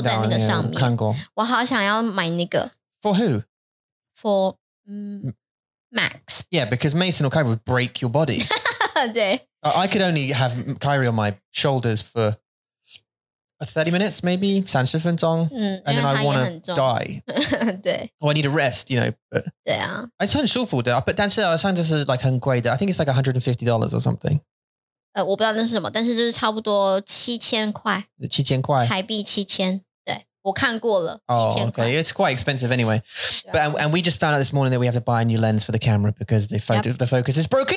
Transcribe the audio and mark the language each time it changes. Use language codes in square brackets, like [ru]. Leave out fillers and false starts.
[zh] 我想要那种就是人家在爬山啊，然后他们也带着他们的孩子，不过他们的孩子是坐在一个像椅子一样的，就是你可以背着他们，然后就坐在那个上面。我好想要买那个。 [en] For who? For Max. Yeah, because Mason or Kyrie would break your body. [zh] 对。 [en] I could only have Kyrie on my shoulders for 30 minutes, maybe [zh] 30分钟, [en] and then I want to die. [zh] 对, [en] or I need a rest, you know. But [zh] 对啊, [en] it's [zh] 很舒服的, [en] but [zh] 但是好像就是 [en] like [zh] 很贵的, [en] I think it's like $150 or something. [zh] 我不知道那是什么，但是就是差不多七千块，七千块，台币七千。对，我看过了，七千块。 [en] Okay, it's quite expensive anyway. But and we just found out this morning that we have to buy a new lens for the camera because the focus, the focus is broken.